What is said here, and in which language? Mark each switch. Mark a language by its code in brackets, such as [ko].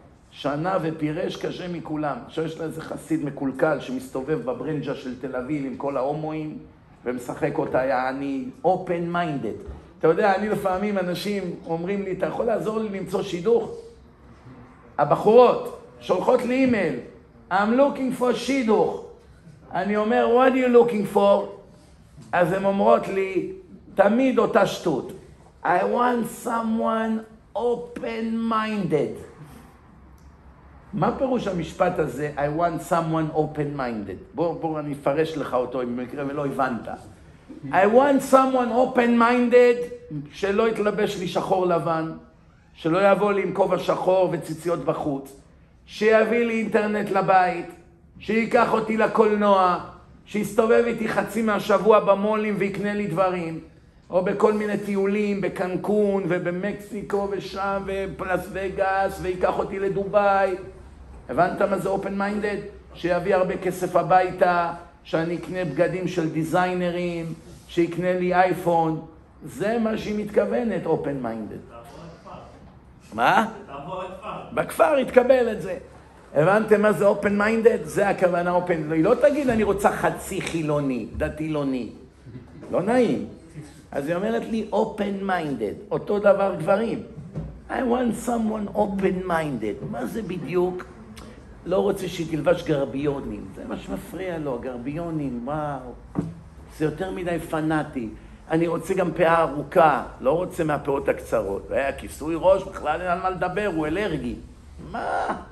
[he] שנה ופירש קשה מכולם. עכשיו יש לה איזה חסיד מקולקל שמסתובב בברנג'ה של תל אביב עם כל ההומואים ומשחק אותה, אני open minded. אתה יודע, אני לפעמים אנשים אומרים לי, אתה יכול לעזור לי למצוא שידוך? הבחורות שולחות לי אימייל, [en] I'm looking for [he] שידוך. אני אומר, [en] what are you looking for? [he] אז הן אומרות לי, תמיד אותה שטות. [en] I want someone open-minded. [he] מה פירוש המשפט הזה, [en] I want someone open-minded? [he] בוא אני אפרש לך אותו, אם במקרה ולא הבנת. [en] I want someone open-minded, [he] שלא יתלבש לי שחור לבן, שלא יבוא לי עם כובע שחור וציציות בחוץ, שיביא לי אינטרנט לבית, שיקח אותי לקולנוע, שיסתובב איתי חצי מהשבוע במולים ויקנה לי דברים, או בכל מיני טיולים, בקנקון ובמקסיקו ושם ובלס וגאס, ויקח אותי לדובאי. הבנת מה זה open minded? שיביא הרבה כסף הביתה, שאני אקנה בגדים של דיזיינרים, שיקנה לי אייפון. זה מה שהיא מתכוונת, open minded. בכפר התקבל את זה. הבנתם מה זה open minded? זה הכוונה open. היא לא תגיד אני רוצה חצי חילוני, דתי-לוני. לא נעים. אז היא אומרת לי open minded. אותו דבר גברים. [en] I want someone open minded. [he] מה זה בדיוק? לא רוצה שהיא תלבש גרביונים. זה מה שמפריע לו, גרביונים, וואו. זה יותר מדי פנאטי. אני רוצה גם פאה ארוכה. לא רוצה מהפאות הקצרות. היה כיסוי ראש, בכלל אין על מה לדבר, הוא אלרגי. מה?